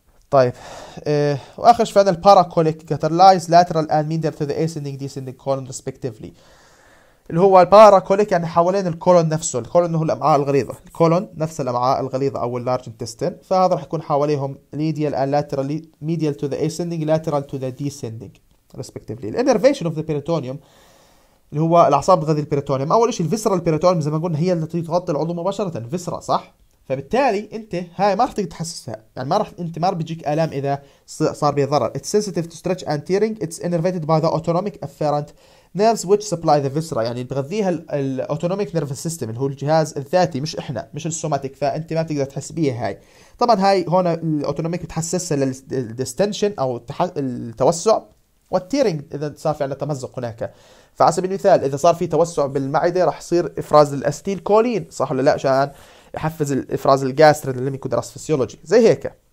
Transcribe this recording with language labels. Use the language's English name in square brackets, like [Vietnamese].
[Arabic] طيب واخر شيء عندنا الباراكوليك كاترلايز لاترال اند ميندر تو ذا اسندنج ديسندنج كولون ريسبكتيفلي، اللي هو الباراكوليك يعني حوالين الكولون نفسه، الكولون هو الامعاء الغليظه، الكولون نفس الامعاء الغليظه او اللارج انتستين، فهذا راح يكون حواليهم ميديال اند لاترال ميديال تو ذا اسندنج لاترال تو ذا ديسندنج ريسبكتيفلي. الانرفيشن اوف ذا بيريتونيوم اللي هو الاعصاب الغذيه البيريتونيوم، اول شيء الفيسرا البيريتونيوم زي ما قلنا هي التي تغطي العضو مباشره، فيسرا صح، فبالتالي انت هاي ما راح تقدر تحسسها يعني ما راح بيجيك الام اذا صار بيها ضرر. [English] It's sensitive to stretch and tearing. It's innervated by the autonomic afferent nerves which supply the viscera. [Arabic] يعني بغذيها الاوتونوميك نيرف سيستم اللي هو الجهاز الذاتي مش احنا مش السوماتيك، فانت ما بتقدر تحس بيها هاي. طبعا هاي هون الاوتونوميك بتحسسها للديستنشن او التوسع والتيرنج اذا صار في عندنا تمزق هناك. فعلى سبيل المثال اذا صار في توسع بالمعده راح يصير افراز الاستيل كولين صح ولا لا، عشان يحفز الافراز الجاستري اللي ممكن درس فيسيولوجي زي هيك.